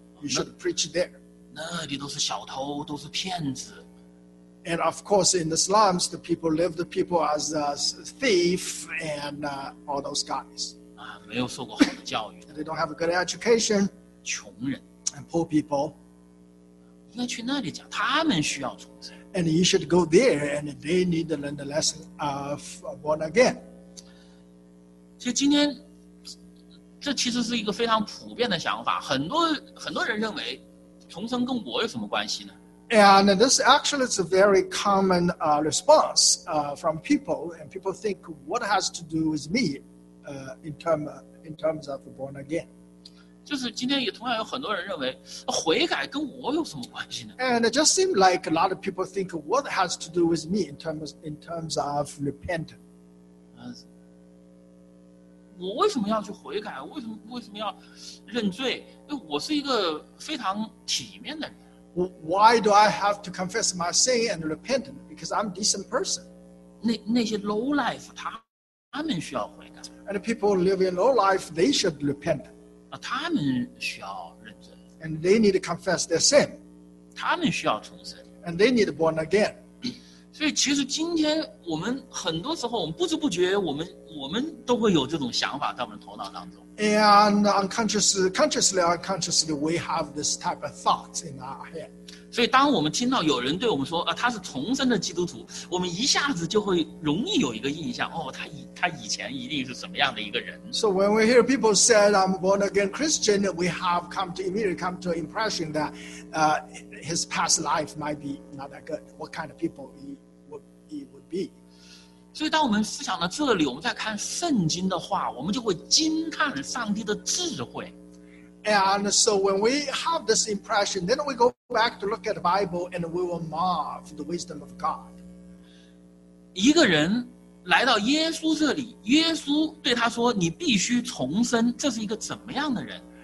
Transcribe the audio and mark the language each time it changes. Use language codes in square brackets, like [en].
[en] You should preach there. [zh] 那里都是小偷, 都是骗子。 [en] And of course, in the slums, the people live, the people as a thief and all those guys. [zh] 啊, 没有受过好的教育。 [en] They don't have a good education. [zh] 穷人。 [en] And poor people. [zh] 应该去那里讲, 他们需要重生。 [en] And you should go there, and they need to learn the lesson of born again. [zh] 其实今天, 这其实是一个非常普遍的想法, 很多人认为, 重生跟我有什么关系呢? [en] And this actually is a very common response from people, and people think, what has to do with me in terms of born again? [zh] 就是今天也同样有很多人认为悔改跟我有什么关系呢 [en] ？And it just seems like a lot of people think what has to do with me in terms of repentance. [zh] 我为什么要去悔改？为什么要认罪？因为我是一个非常体面的人。 [en] Why do I have to confess my sin and repent? Because I'm a decent person. [zh] 那些 [en] low life， [zh] 他们需要悔改。 [en] And the people living low life， they should repent. [zh] 他们需要认罪 [en] ，and they need to confess their sin. [zh] 他们需要重生 [en] ，and they need to born again. [zh] 所以，其实今天我们很多时候，我们不知不觉，我们都会有这种想法在我们头脑当中。 [en] And unconsciously, we have this type of thoughts in our head. [zh] 所以，当我们听到有人对我们说，他是重生的基督徒，我们一下子就会容易有一个印象，哦，他以前一定是什么样的一个人。 [en] So when we hear people say I'm born again Christian, we have immediately come to impression that, his past life might be not that good. What kind of people he would be? [zh] 所以，当我们思想到这里，我们再看圣经的话，我们就会惊叹上帝的智慧。 [en] And so when we have this impression, then we go back to look at the Bible and we will marvel the wisdom of God. [zh] 一个人来到耶稣这里，耶稣对他说，你必须重生，这是一个怎么样的人？